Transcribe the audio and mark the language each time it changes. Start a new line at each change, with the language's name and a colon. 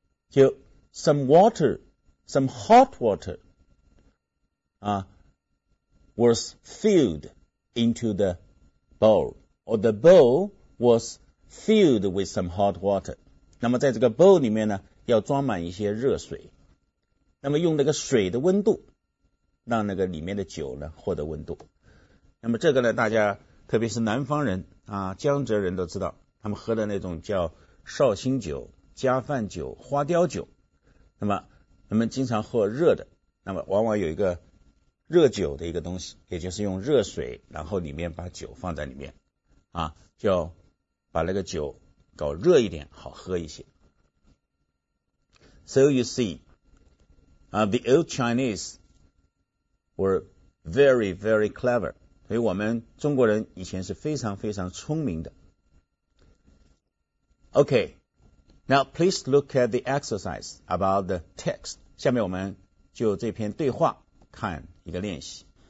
English: 就 some water， some hot water 啊 was filled into the bowl， or the bowl wasfilled with some hot water.
Chinese: 那么在这个 bowl 里面呢要装满一些热水。那么用那个水的温度让那个里面的酒呢获得温度。那么这个呢大家特别是南方人啊江浙人都知道，他们喝的那种叫绍兴酒、加饭酒、花雕酒。那么他们经常喝热的，那么往往有一个热酒的一个东西，也就是用热水然后里面把酒放在里面。啊叫把那个酒搞热一点好喝一些。
English: So you see,the old Chinese were very, very clever.
Chinese: 所以我们中国人以前是非常非常聪明的。
English: Okay, now please look at the exercise about the text.
Chinese: 下面我们就这篇对话看一个练习。